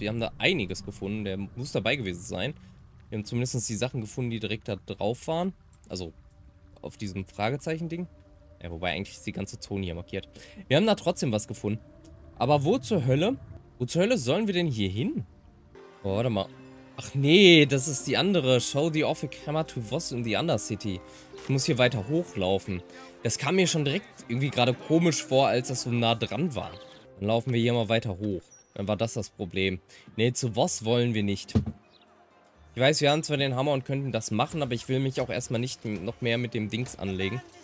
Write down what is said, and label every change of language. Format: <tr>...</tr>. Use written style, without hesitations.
<de>Wir haben da einiges gefunden, der muss dabei gewesen sein. Wir haben zumindest die Sachen gefunden, die direkt da drauf waren. Also, auf diesem Fragezeichen-Ding. Ja, wobei eigentlich ist die ganze Zone hier markiert. Wir haben da trotzdem was gefunden. Aber wo zur Hölle sollen wir denn hier hin? Oh, warte mal. Ach nee, das ist die andere.</de> <en>Show the Orphic Hammer to Voss in the Undercity.</en> <de>Ich muss hier weiter hochlaufen. Das kam mir schon direkt irgendwie gerade komisch vor, als das so nah dran war. Dann laufen wir hier mal weiter hoch. Dann war das Problem. Nee, zu Voss wollen wir nicht. Ich weiß, wir haben zwar den Hammer und könnten das machen, aber ich will mich auch erstmal nicht noch mehr mit dem Dings anlegen.</de>